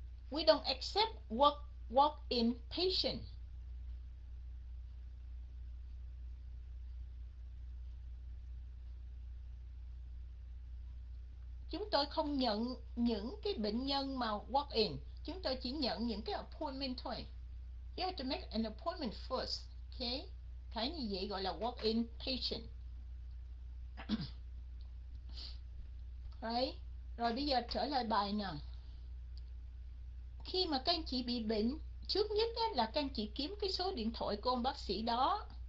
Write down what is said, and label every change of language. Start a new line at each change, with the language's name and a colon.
English: We don't accept walk-in patient.
Vietnamese: Chúng tôi không nhận những cái bệnh nhân mà walk in, chúng tôi chỉ nhận những cái appointment thôi.
English: You have to make an appointment first, okay?
Vietnamese: Thấy như vậy gọi là walk in patient.
English: Right.
Vietnamese: Rồi bây giờ trở lại bài nè. Khi mà các anh chị bị bệnh, trước nhất là các anh chị kiếm cái số điện thoại của ông bác sĩ đó.